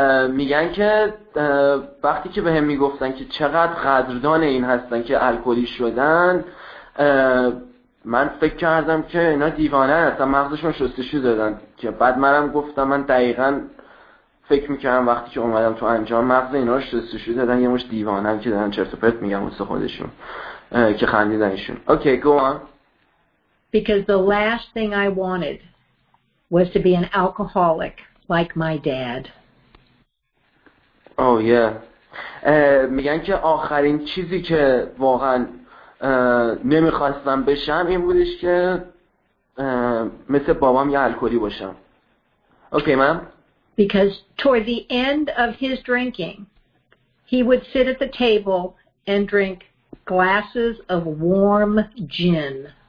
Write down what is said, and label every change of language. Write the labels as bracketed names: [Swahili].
[Persian] میگن که وقتی که به هم میگفتن که چقدر قدردان این هستن که الکلی شدن، من فکر کردم که اینا دیوانه هستن، مغزشون شستشو دادن. که بعد منم گفتم من دقیقا فکر میکردم وقتی که اومدم تو انجام مغز اینا رو شستشو دادن، یه مش دیوانه هم که دارن چرت و پرت میگم واسه خودشون که خندیدن ایشون. [English] Okay, go on. Because the last thing I wanted was to be an alcoholic like my dad. Oh yeah. [Persian] میگن که آخرین چیزی که واقعا نمیخواستم بشم این بودش که مثل بابام یه الکلی باشم. [English] Okay, ma'am. Because toward the end of his drinking, he would sit at the table and drink glasses of warm gin.